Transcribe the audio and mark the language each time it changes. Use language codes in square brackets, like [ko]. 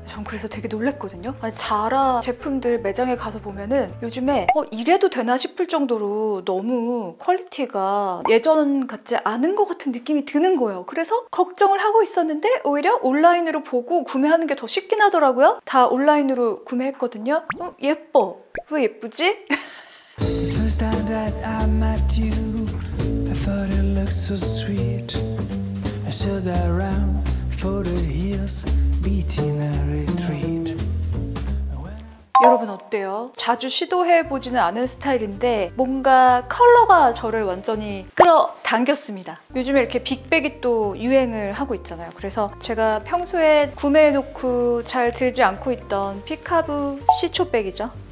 [ko] 전 그래서 되게 놀랬거든요. 자라 제품들 매장에 가서 보면은 요즘에 이래도 되나 싶을 정도로 너무 퀄리티가 예전 같지 않은 것 같은 느낌이 드는 거예요. 그래서 걱정을 하고 있었는데 오히려 온라인으로 보고 구매하는 게 더 쉽긴 하더라고요. 다 온라인으로 구매했거든요. 예뻐. 왜 예쁘지? [en] First time that I met you, I thought it looked so sweet. I stood around for the hills, beating a retreat. [ko] 여러분 어때요? 자주 시도해보지는 않은 스타일인데 뭔가 컬러가 저를 완전히 끌어당겼습니다. 요즘에 이렇게 빅백이 또 유행을 하고 있잖아요. 그래서 제가 평소에 구매해놓고 잘 들지 않고 있던 피카부 시초백이죠.